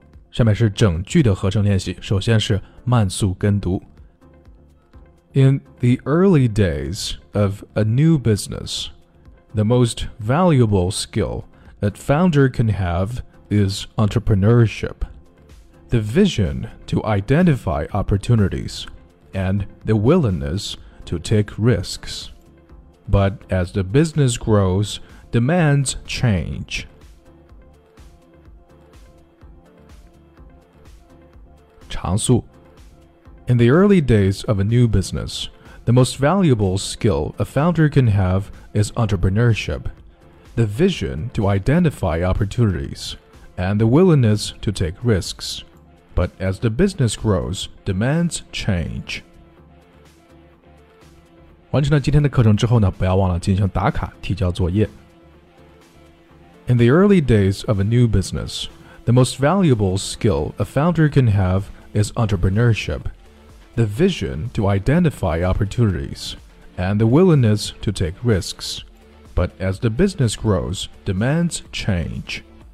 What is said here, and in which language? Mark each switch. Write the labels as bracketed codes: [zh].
[zh] 下面是整句的合成练习，首先是慢速跟读。 [en] In the early days of a new business, the most valuable skill that founder can have is entrepreneurship. The vision to identify opportunities and the willingness to take risks. But as the business grows, demands change. 常数 In the early days of a new business, the most valuable skill a founder can have is entrepreneurship, the vision to identify opportunities, and the willingness to take risks. But as the business grows, demands change. [zh] 完成了今天的课程之后呢，不要忘了进行打卡提交作业。 [en] In the early days of a new business, the most valuable skill a founder can have is entrepreneurship. The vision to identify opportunities and the willingness to take risks. But as the business grows, demands change.